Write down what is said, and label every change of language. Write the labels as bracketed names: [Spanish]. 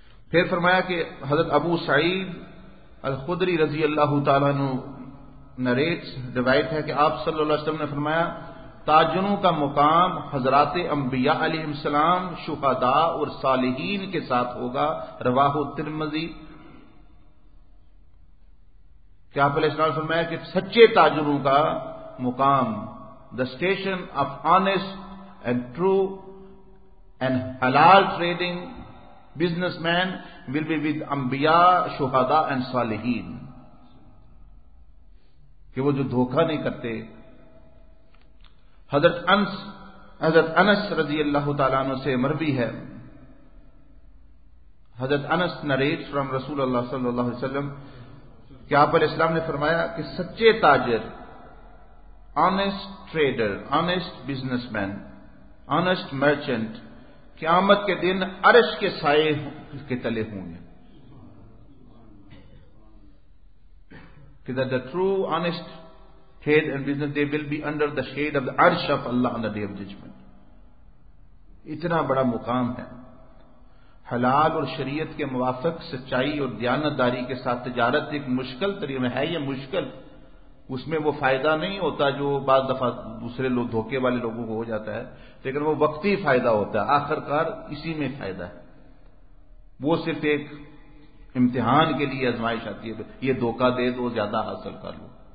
[Urdu] پھر فرمایا کہ حضرت ابو سعید الخدری رضی اللہ تعالیٰ عنہ نریٹس، روایت ہے کہ آپ صلی اللہ علیہ وسلم نے فرمایا تاجروں کا مقام حضرات انبیاء علیہ السلام، شہداء اور صالحین کے ساتھ ہوگا. [Arabic] رواح الترمزی. [Urdu] کیا آپ علیہ السلام فرمایا کہ سچے تاجروں کا مقام، [English] The station of honest and true And halal trading businessman will be with anbiya, shuhada and salihin. [Urdu] Ke wo jo dhokha nahi karte. Hazrat Anas رضی اللہ تعالیٰ عنہ سے مروی ہے. حضرت انس [English] narrates from [Urdu] رسول اللہ صلی اللہ علیہ وسلم کہ آپ علیہ السلام نے فرمایا کہ سچے تاجر, [English] honest trader, honest businessman, honest merchant, [Urdu] قیامت کے دن عرش کے سائے کے تلے ہوں گے. [English] کہ that the true honest trade and business, they will be under the shade of the arsh of Allah on the day of judgment. [Urdu] اتنا بڑا مقام ہے. حلال اور شریعت کے موافق سچائی اور دیانتداری کے ساتھ تجارت ایک مشکل طریقہ ہے. یہ مشکل, اس میں وہ فائدہ نہیں ہوتا جو بعض دفعہ دوسرے لوگ دھوکے والے لوگوں کو ہو جاتا ہے, لیکن وہ وقتی فائدہ ہوتا ہے. آخر کار اسی میں فائدہ ہے. وہ صرف ایک امتحان کے لیے آزمائش آتی ہے, یہ دھوکا دے دو زیادہ حاصل کر لو.